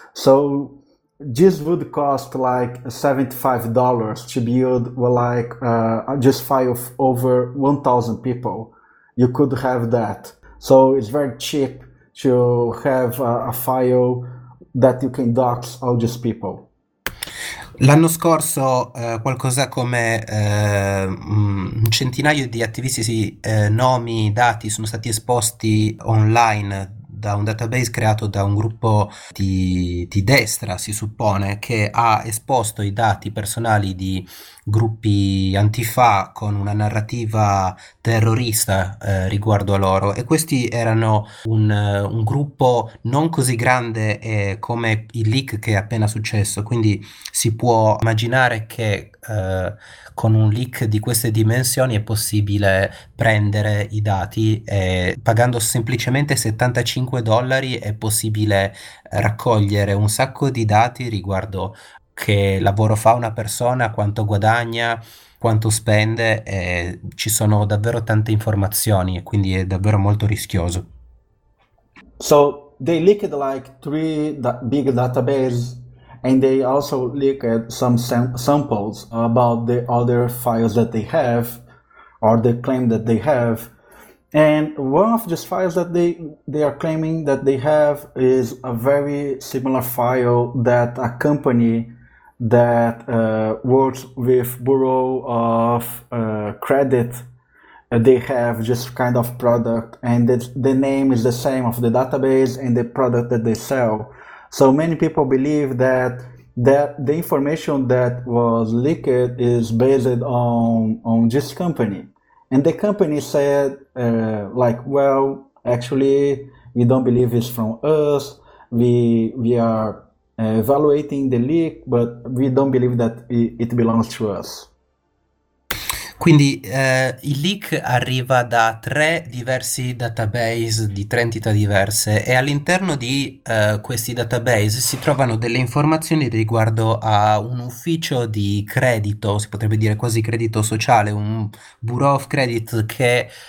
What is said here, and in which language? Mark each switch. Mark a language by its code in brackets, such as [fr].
[en] So this would cost like $75 to build, well, like just file over 1,000 people. You could have that. So it's very cheap to have a file that you can dox all these people. [it] L'anno scorso qualcosa come un centinaio di attivisti, sì, nomi, dati sono stati esposti online da un database creato da un gruppo di destra, si suppone, che ha esposto i dati personali di gruppi antifa con una narrativa terrorista riguardo a loro. E questi erano un gruppo non così grande come il leak che è appena successo, quindi si può immaginare che con un leak di queste dimensioni è possibile prendere i dati e pagando semplicemente 75 dollari è possibile raccogliere un sacco di dati riguardo che lavoro fa una persona, quanto guadagna, quanto spende, e ci sono davvero tante informazioni, quindi è davvero molto rischioso. [en] So they leaked like three da big databases, and they also leaked some samples about the other files that they have, or the claim that they have. And one of these files that they are claiming that they have is a very similar file that a company that works with Bureau of Credit. They have just kind of product, and the name is the same of the database and the product that they sell. So many people believe that the information that was leaked is based on this company. And the company said, like, well, actually, we don't believe it's from us. We are evaluating the leak, but we don't believe that it belongs to us. [it] Quindi il leak arriva da tre diversi database di tre entità diverse e all'interno di questi database si trovano delle informazioni riguardo a un ufficio di credito, si potrebbe dire quasi credito sociale, un bureau of credit che